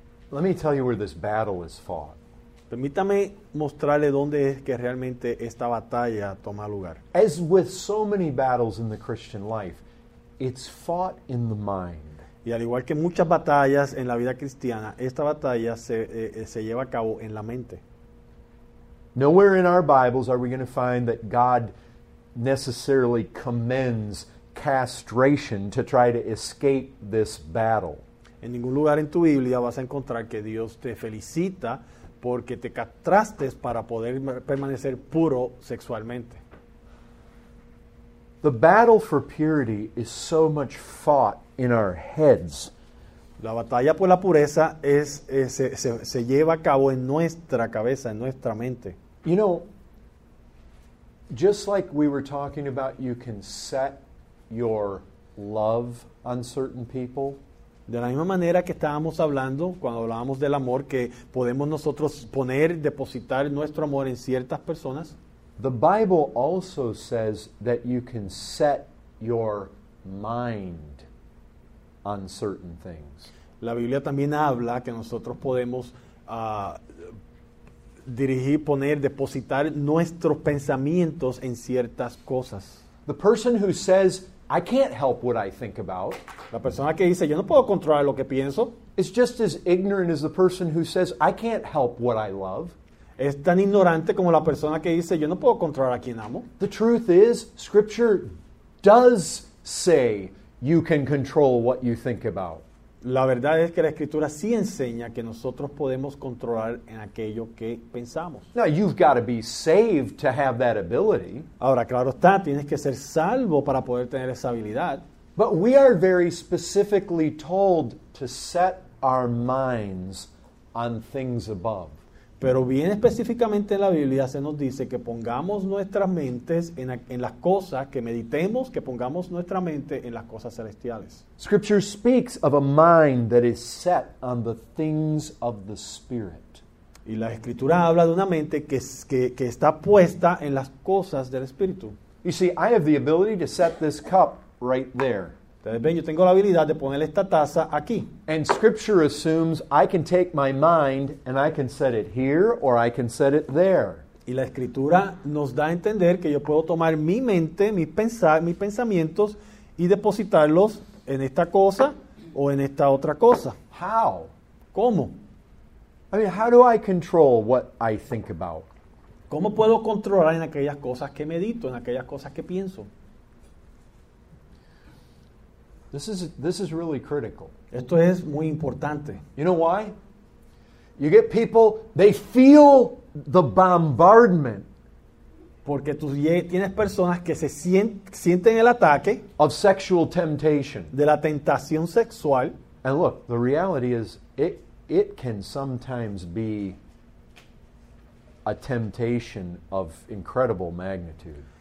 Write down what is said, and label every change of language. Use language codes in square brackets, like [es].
[en] Let me tell you where this battle is fought. [es] Permítame mostrarle dónde es que realmente esta batalla toma lugar. [en] As with so many battles in the Christian life, it's fought in the mind. [es] Y al igual que muchas batallas en la vida cristiana, esta batalla se lleva a cabo en la mente. [en] Nowhere in our Bibles are we going to find that God necessarily commends castration to try to escape this battle. [es] En ningún lugar en tu Biblia vas a encontrar que Dios te felicita porque te castraste para poder permanecer puro sexualmente. [en] The battle for purity is so much fought in our heads. [es] La batalla por la pureza se lleva a cabo en nuestra cabeza, en nuestra mente. [en] You know, just like we were talking about, you can set your love on certain people. [es] De la misma manera que estábamos hablando, cuando hablábamos del amor, que podemos nosotros poner, depositar nuestro amor en ciertas personas. [en] The Bible also says that you can set your mind on certain things. [es] La Biblia también habla que nosotros podemos dirigir, poner, depositar nuestros pensamientos en ciertas cosas. [en] The person who says, I can't help what I think about. [es] La persona que dice, yo no puedo controlar lo que pienso. [en] It's just as ignorant as the person who says, I can't help what I love. [es] Es tan ignorante como la persona que dice, yo no puedo controlar a quien amo. [en] The truth is, Scripture does say you can control what you think about. [es] La verdad es que la Escritura sí enseña que nosotros podemos controlar en aquello que pensamos. [en] Now, you've got to be saved to have that ability. [es] Ahora, claro está, tienes que ser salvo para poder tener esa habilidad. [en] But we are very specifically told to set our minds on things above. [es] Pero bien específicamente en la Biblia se nos dice que pongamos nuestras mentes en las cosas, que meditemos, que pongamos nuestra mente en las cosas celestiales. [en] Scripture speaks of a mind that is set on the things of the Spirit. [es] Y la Escritura habla de una mente que está puesta en las cosas del Espíritu. [en] You see, I have the ability to set this cup right there. [es] Entonces, ven, yo tengo la habilidad de poner esta taza aquí. [en] And Scripture assumes I can take my mind and I can set it here or I can set it there. [es] Y la Escritura nos da a entender que yo puedo tomar mi mente, mis pensamientos y depositarlos en esta cosa o en esta otra cosa. [en] How? [es] ¿Cómo? [en] I mean, how do I control what I think about? [es] ¿Cómo puedo controlar en aquellas cosas que medito, en aquellas cosas que pienso? [en] This is really critical. [es] Esto es muy importante. [en] You know why? You get people, they feel the bombardment. [es] Porque tú tienes personas que se sienten el ataque [en] of sexual temptation. [es] De la tentación sexual. [en] And look, the reality is it can sometimes be a temptation of incredible magnitude.